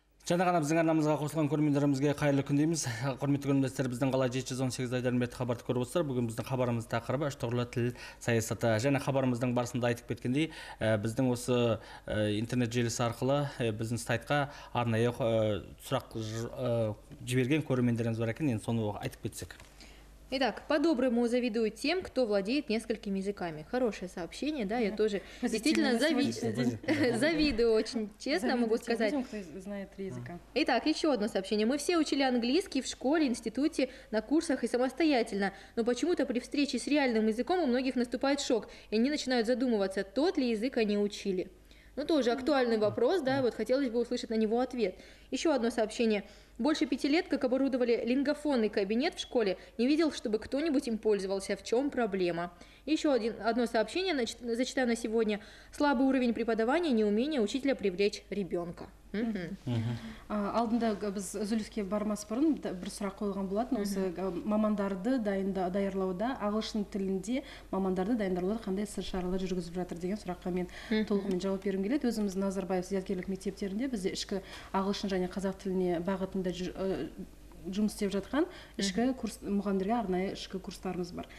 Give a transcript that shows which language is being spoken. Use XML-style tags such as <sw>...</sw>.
<kk>Жанагана біздің арнамызға қосылған көрермендерімізге қайырлы күн дейміз. Құрметті көрермендер, біздің қала 718 айдарымет хабарды көріп отырсыздар. Бүгін біздің хабарымыз тақырыбы әштұғырлы тіл саясаты. Және хабарымыздың барысында айтып кеткендей, біздің осы интернет желісі арқылы біздің сайтқа арнайы сұрақ жіберген көрермендеріміз бар екен. Енді соны айтып кетсек.</kk> <ru>Итак, по-доброму завидую тем, кто владеет несколькими языками. Хорошее сообщение, да, я тоже действительно завидую, очень честно могу сказать. Завидую тем, кто знает три языка. Итак, еще одно сообщение. Мы все учили английский в школе, институте, на курсах и самостоятельно, но почему-то при встрече с реальным языком у многих наступает шок, и они начинают задумываться, тот ли язык они учили. Ну, тоже актуальный вопрос, да, вот хотелось бы услышать на него ответ. Еще одно сообщение. Больше 5 лет, как оборудовали лингофонный кабинет в школе, не видел, чтобы кто-нибудь им пользовался. В чем проблема? Еще одно сообщение, зачитаю на сегодня. Слабый уровень преподавания, неумение учителя привлечь ребенка.</ru> <kk>Алдында біз үзіліске бармас бұрын бір сұрақ қойылған болатын, осы мамандарды даярлауда, ағылшын тілінде мамандарды даярлауда қандай іс-шаралар жүргізіп жатыр деген сұраққа мен толығымен жауап бергім келеді. Өзіміздің Назарбаев зияткерлік мектептерінде бізде ішкі ағылшын және қазақ тіліне бағытында жұмыс істеп жатқан ішкі курс мұғалімдерге арнайы ішкі курстарымыз бар.</kk>